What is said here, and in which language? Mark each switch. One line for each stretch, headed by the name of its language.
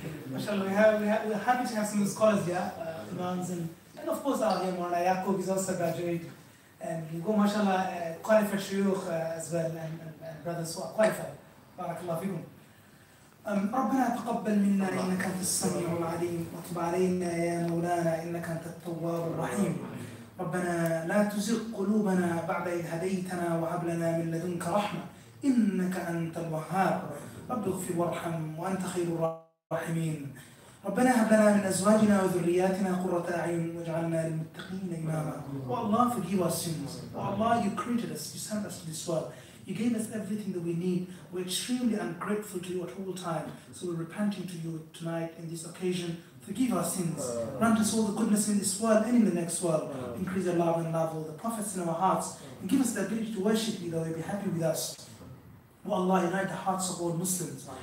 English: We're happy to have some scholars here, imams, and of course our dear Mawlana Yaqub is also graduating, and you go, mashallah, qualified shuyukh as well, and brothers who are qualified.
Arabic: Barakallahu feekum. ربنا تقبل منا إنك أنت السميع العليم وتب علينا يا مولانا إنك أنت التواب الرحيم ربنا لا تزغ قلوبنا بعد إذ هديتنا وهب لنا من لدنك رحمة إنك أنت الوهاب رب اغفر وارحم وأنت خير الراحمين ربنا هب لنا من أزواجنا وذرياتنا قرة أعين واجعلنا للمتقين إماما والله forgive our sins والله you created us, you sent us to this world.
English: You gave us everything that we need. We're extremely ungrateful to you at all times. So we're repenting to you tonight in this occasion. Forgive our sins. Grant us all the goodness in this world and in the next world. Increase our love and love all the prophets in our hearts. And give us the ability to worship you, though you'll be happy with us. O Allah, unite the hearts of all Muslims.